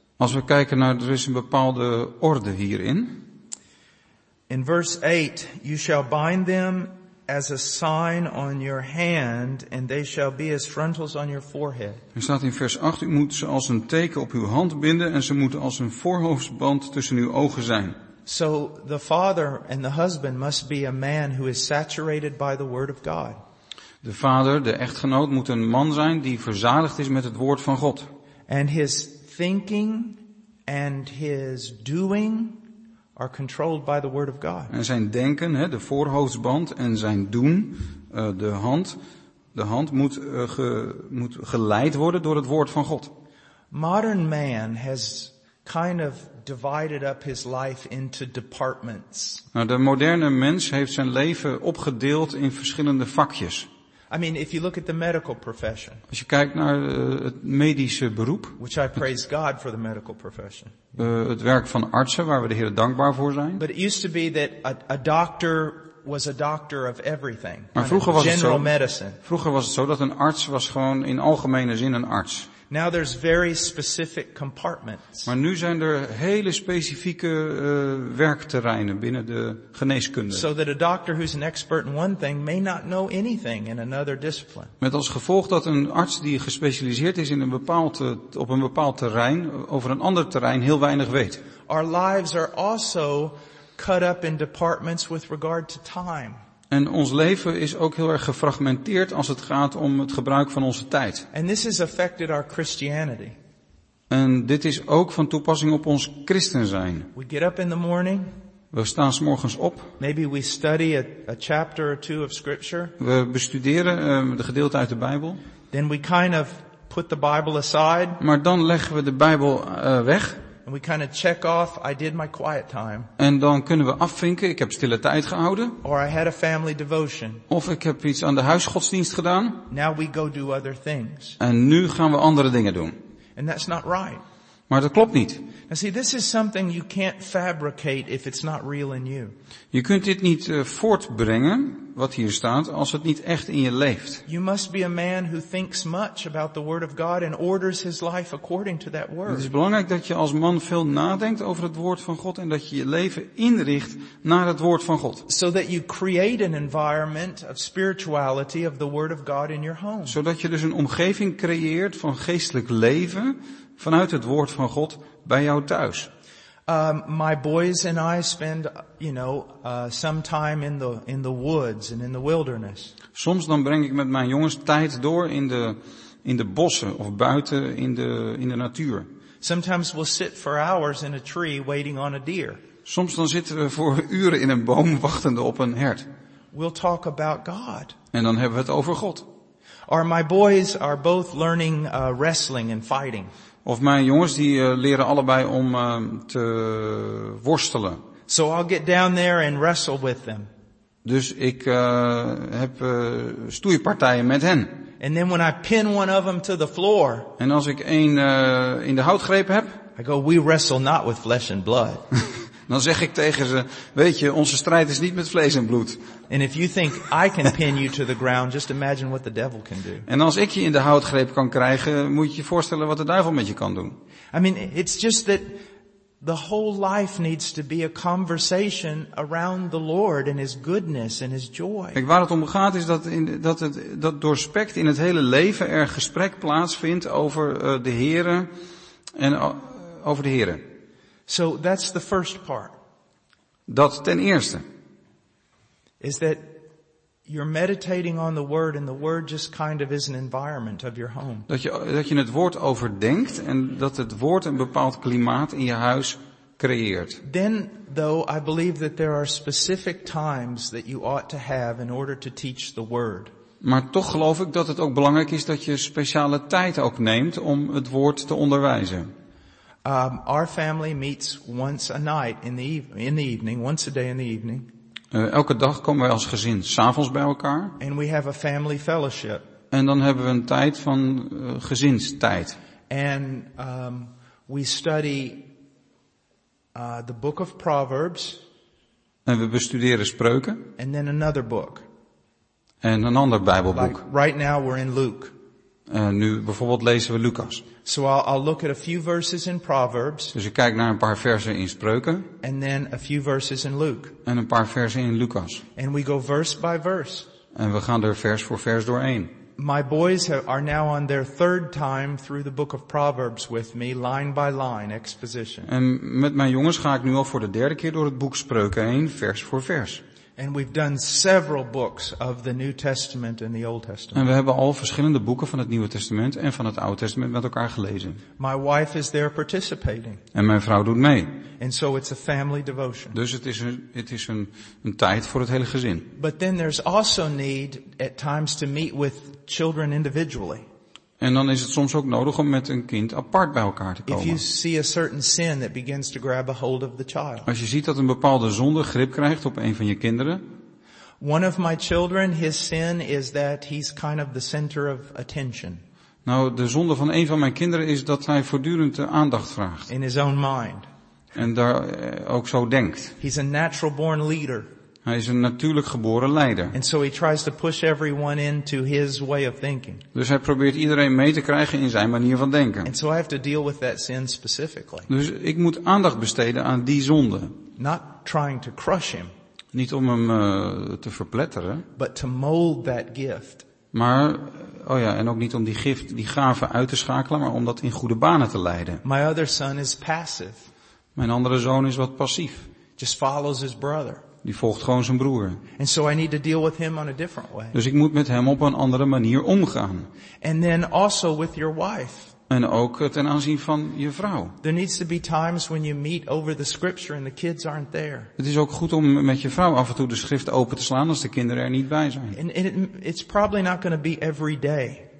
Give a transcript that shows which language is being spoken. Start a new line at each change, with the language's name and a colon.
Dutch: Als we kijken naar, er is een bepaalde orde hierin.
English: In verse 8, you shall bind them as a sign on your hand, and they shall be as frontals on your forehead.
Dutch: Er staat in vers 8, u moet ze als een teken op uw hand binden, en ze moeten als een voorhoofdband tussen uw ogen zijn.
English: So the father and the husband must be a man who is saturated by the word of God.
Dutch: De vader, de echtgenoot, moet een man zijn die verzadigd is met het woord van God.
English: And his thinking and his doing are controlled by the word of God.
Dutch: En zijn denken, de voorhoofdsband, en zijn doen, de hand, de hand moet, moet geleid worden door het woord van God.
English: Modern man has kind of divided up his life into departments.
Dutch: Nou, de moderne mens heeft zijn leven opgedeeld in verschillende vakjes.
English: I mean, if you look at the medical profession.
Dutch: Als je kijkt naar het medische beroep.
English: Which I praise God for the medical profession.
Dutch: Het werk van artsen, waar we de Heer dankbaar voor zijn.
English: But it used to be that a doctor was a doctor of everything.
Dutch: Maar vroeger was
English: general
Dutch: het zo.
English: Medicine.
Dutch: Vroeger was het zo dat een arts was gewoon in algemene zin een arts.
English: Now there's very specific compartments.
Dutch: Maar nu zijn er hele specifieke werkterreinen binnen de geneeskunde.
English: So that a doctor who's an expert in one thing may not know anything in another discipline.
Dutch: Met als gevolg dat een arts die gespecialiseerd is in een bepaald op een bepaald terrein over een ander terrein heel weinig weet.
English: Our lives are also cut up in departments with regard to time.
Dutch: En ons leven is ook heel erg gefragmenteerd als het gaat om het gebruik van onze tijd.
English: And this has affected our Christianity.
Dutch: En dit is ook van toepassing op ons christen zijn.
English: We get up in the morning.
Dutch: We staan 's morgens op.
English: Maybe we study a chapter or two of scripture.
Dutch: We bestuderen de gedeelte uit de Bijbel.
English: Then we kind of put the Bible aside.
Dutch: Maar dan leggen we de Bijbel weg.
English: And we kind of check off, I did my quiet time.
Dutch: En dan kunnen we afvinken, ik heb stille tijd gehouden.
English: Or I had a family devotion.
Dutch: Of ik heb iets aan de huisgodsdienst gedaan.
English: Now we go do other things.
Dutch: En nu gaan we andere dingen doen.
English: And that's not right.
Dutch: Maar dat klopt niet.
English: Now see, this is something you can't fabricate if it's not real in you.
Dutch: Je kunt dit niet voortbrengen, wat hier staat, als het niet echt in je leeft.
English: You must be a man who thinks much about the word of God and orders his life according to that word.
Dutch: Het is belangrijk dat je als man veel nadenkt over het woord van God en dat je je leven inricht naar het woord van God.
English: So that you create an environment of spirituality of the word of God in your home.
Dutch: Zodat je dus een omgeving creëert van geestelijk leven vanuit het woord van God bij jou thuis.
English: My boys and I spend, you know, some time in the woods and in the wilderness.
Dutch: Soms dan breng ik met mijn jongens tijd door in de bossen of buiten in de natuur.
English: Sometimes we'll sit for hours in a tree waiting on a deer.
Dutch: Soms dan zitten we voor uren in een boom wachtende op een hert.
English: We'll talk about God.
Dutch: En dan hebben we het over God.
English: Or my boys are both learning wrestling and fighting.
Dutch: Of mijn jongens die leren allebei om te worstelen.
English: So I'll get down there and wrestle with them.
Dutch: Dus ik heb stoeipartijen met hen.
English: And then when I pin one of them to the floor.
Dutch: En als ik één in de houtgreep heb,
English: I go, we wrestle not with flesh and blood.
Dutch: Dan zeg ik tegen ze, weet je, onze strijd is niet met vlees en bloed.
English: And if you think I can pin you to the ground, just imagine what the devil can do.
Dutch: En als ik je in de houtgreep kan krijgen, moet je je voorstellen wat de duivel met je kan doen.
English: I mean, it's just that the whole life needs to be a conversation around the Lord and his goodness and his joy.
Dutch: Kijk, waar het om gaat is dat door spekt in het hele leven er gesprek plaatsvindt over de Here en over de Here.
English: So that's the first part.
Dutch: Dat ten eerste.
English: Is that you're meditating on the word and the word just kind of is an environment of your home.
Dutch: Dat je het woord overdenkt en dat het woord een bepaald klimaat in je huis creëert.
English: Then though I believe that there are specific times that you ought to have in order to teach the word.
Dutch: Maar toch geloof ik dat het ook belangrijk is dat je speciale tijd ook neemt om het woord te onderwijzen.
English: Our family meets once a night in the evening, once a day in the evening.
Dutch: Elke dag komen wij als gezin 's avonds bij elkaar.
English: And we have a family fellowship.
Dutch: En dan hebben we een tijd van gezinstijd.
English: And we study the book of Proverbs.
Dutch: En we bestuderen Spreuken.
English: And then another book.
Dutch: En een ander Bijbelboek.
English: Like right now we're in Luke.
Dutch: Nu bijvoorbeeld lezen we Lucas.
English: So I'll look at a few verses in Proverbs.
Dutch: Dus ik kijk naar een paar versen in Spreuken.
English: And then a few verses in Luke.
Dutch: En een paar versen in Lucas.
English: And we go verse by verse.
Dutch: En we gaan er vers voor vers doorheen.
English: My boys are now on their third time through the book of Proverbs with me, line by line, exposition.
Dutch: En met mijn jongens ga ik nu al voor de derde keer door het boek Spreuken heen, vers voor vers.
English: And we've done several books of the New Testament and the Old Testament.
Dutch: En we hebben al verschillende boeken van het Nieuwe Testament en van het Oude Testament met elkaar gelezen.
English: My wife is there participating.
Dutch: En mijn vrouw doet mee.
English: And so it's a family devotion.
Dutch: Dus het is een tijd voor het hele gezin.
English: But then there's also need at times to meet with children individually.
Dutch: En dan is het soms ook nodig om met een kind apart bij elkaar te komen.
English: If you see a certain sin that begins to grab a hold of the child.
Dutch: Als je ziet dat een bepaalde zonde grip krijgt op een van je kinderen.
English: One of my children, his sin is that he's kind of the center of attention.
Dutch: Nou, de zonde van een van mijn kinderen is dat hij voortdurend de aandacht vraagt.
English: In his own mind.
Dutch: En daar ook zo denkt.
English: He's a natural born leader.
Dutch: Hij is een natuurlijk geboren leider.
English: And so he tries to push everyone into his way of thinking.
Dutch: Dus hij probeert iedereen mee te krijgen in zijn manier van denken.
English: And so I have to deal with that sin specifically.
Dutch: Dus ik moet aandacht besteden aan die zonde.
English: Not trying to crush him.
Dutch: Niet om hem te verpletteren.
English: But to mold that gift.
Dutch: Maar oh ja, en ook niet om die gave uit te schakelen, maar om dat in goede banen te leiden.
English: My other son is passive.
Dutch: Mijn andere zoon is wat passief.
English: Just follows his brother.
Dutch: Die volgt gewoon zijn broer.
English: And so I need to deal with him on a different way.
Dutch: Dus ik moet met hem op een andere manier omgaan.
English: And then also with your wife.
Dutch: En ook ten aanzien van je vrouw.
English: There needs to be times when you meet over the scripture and the kids aren't there.
Dutch: Het is ook goed om met je vrouw af en toe de schrift open te slaan als de kinderen er niet bij zijn.
English: And it's probably not going to be every day.